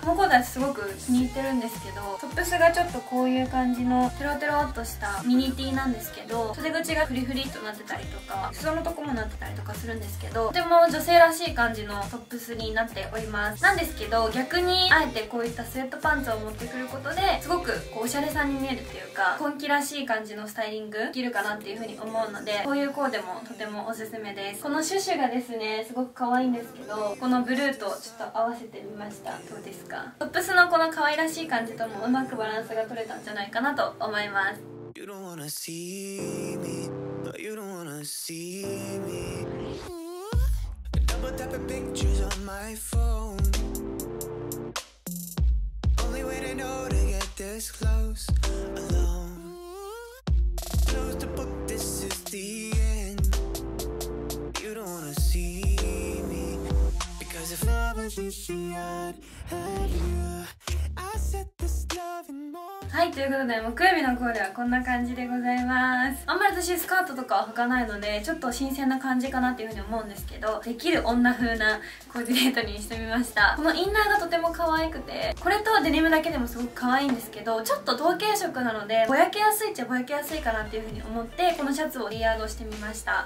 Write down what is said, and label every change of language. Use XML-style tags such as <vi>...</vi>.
<ja>このコーデすごく気に入ってるんですけど、トップスがちょっとこういう感じのテロテロっとしたミニティなんですけど、袖口がフリフリとなってたりとか、裾のとこもなってたりとかするんですけど、とても女性らしい感じのトップスになっております。なんですけど逆にあえてこういったスウェットパンツを持ってくることで、すごくこうおしゃれさんに見えるっていうか、今季らしい感じのスタイリングできるかなっていう風に思うので、こういうコーデもとてもおすすめです。このシュシュがですねすごく可愛いんですけど、このブルーとちょっと合わせてみました。どうですか、トップスのこの可愛らしい感じともうまくバランスが取れたんじゃないかなと思います。</ja> <en>You don't wanna see me No you don't wanna see me Double tapping pictures on my phone Only way to know to get this close Alone Close the book this is the endHa</en> <ja>はい、ということで木曜日のコーデはこんな感じでございます。あんまり私スカートとかは履かないのでちょっと新鮮な感じかなっていうふうに思うんですけど、できる女風なコーディネートにしてみました。このインナーがとても可愛くて、これとデニムだけでもすごく可愛いんですけど、ちょっと同系色なのでぼやけやすいっちゃぼやけやすいかなっていうふうに思ってこのシャツをレイヤードしてみました。</ja>